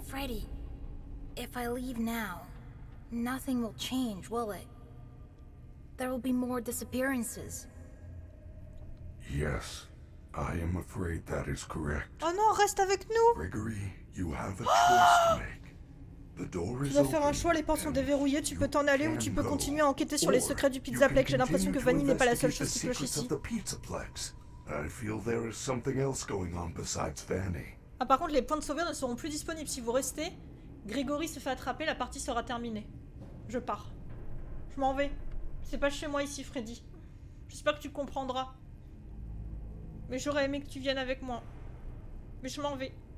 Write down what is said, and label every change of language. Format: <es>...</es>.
<en>Freddy, if I leave now, nothing will change, will it? There will be more disappearances. Yes, I am afraid that is correct.</en> <fr>Oh non, reste avec nous.</fr> <en>Gregory, you have a choice to make. The door is open.</en> <fr>Tu dois faire un choix, les portes sont déverrouillées, tu peux t'en aller ou tu peux continuer à enquêter sur les secrets du Pizza Plex. J'ai l'impression que Vanille n'est pas la seule chose qui cloche ici.</fr> <en>The Pizza Plex. I feel there is something else going on besides Vanille.</en> <fr>Ah, par contre, les points de sauvegarde ne seront plus disponibles si vous restez. Grégory se fait attraper, la partie sera terminée. Je pars. Je m'en vais. C'est pas chez moi ici, Freddy. J'espère que tu comprendras. Mais j'aurais aimé que tu viennes avec moi. Mais je m'en vais.</fr>